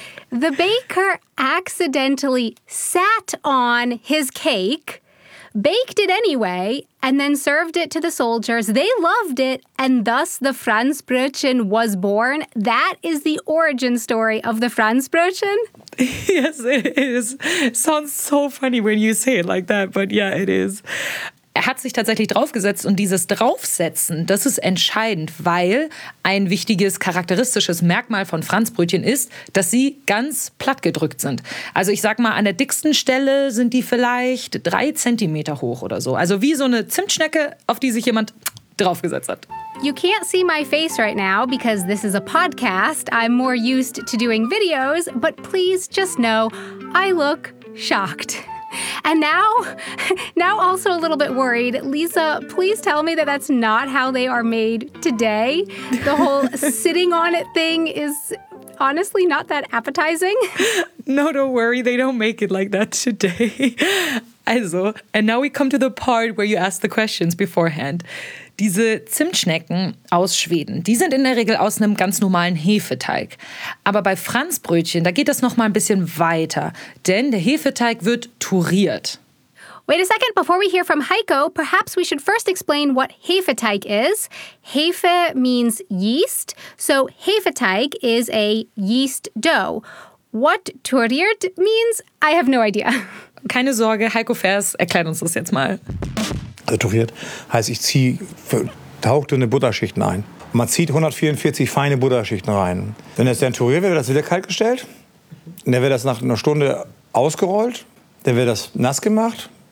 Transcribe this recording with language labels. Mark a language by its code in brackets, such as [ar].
[en] The baker accidentally sat on his cake, baked it anyway, and then served it to the soldiers. They loved it, and thus the Franzbrötchen was born. That is the origin story of the Franzbrötchen. Yes, it is. Sounds so funny when you say it like that, but yeah, it is. [de] Er hat sich tatsächlich draufgesetzt und dieses Draufsetzen, das ist entscheidend, weil ein wichtiges charakteristisches Merkmal von Franzbrötchen ist, dass sie ganz platt gedrückt sind. Also ich sag mal, an der dicksten Stelle sind die vielleicht 3 Zentimeter hoch oder so. Also wie so eine Zimtschnecke, auf die sich jemand draufgesetzt hat. [en] You can't see my face right now because this is a podcast. I'm more used to doing videos, but please just know, I look shocked. And now also a little bit worried. Lisa, please tell me that that's not how they are made today. The whole sitting on it thing is honestly not that appetizing. No, don't worry. They don't make it like that today. Also, and now we come to the part where you ask the questions beforehand. [de] Diese Zimtschnecken aus Schweden, die sind in der Regel aus einem ganz normalen Hefeteig. Aber bei Franzbrötchen, da geht das noch mal ein bisschen weiter, denn der Hefeteig wird touriert. [en] Wait a second, before we hear from Heiko, perhaps we should first explain what Hefeteig is. Hefe means yeast, so Hefeteig is a yeast dough. What touriert means, I have no idea. [de] Keine Sorge, Heiko Fers erklärt uns das jetzt mal. Touriert heißt, ich ziehe tauchdünne Butterschichten ein. Man zieht 144 feine Butterschichten rein. Wenn es dann touriert wird, wird das wieder kaltgestellt. Dann wird das nach einer Stunde ausgerollt. Dann wird das nass gemacht.